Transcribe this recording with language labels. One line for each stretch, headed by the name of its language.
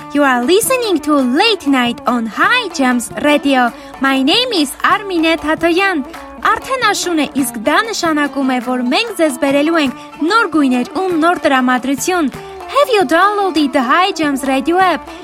English: You are listening to Late Night on High Jams Radio. My name is Armine Tatoyan.
Armenian: Արդեն աշունը իսկ դա նշանակում է, որ մենք ձեզ բերելու ենք նոր գույներ ու նոր դրամատրություն.
English: Have you downloaded the High Jams Radio app?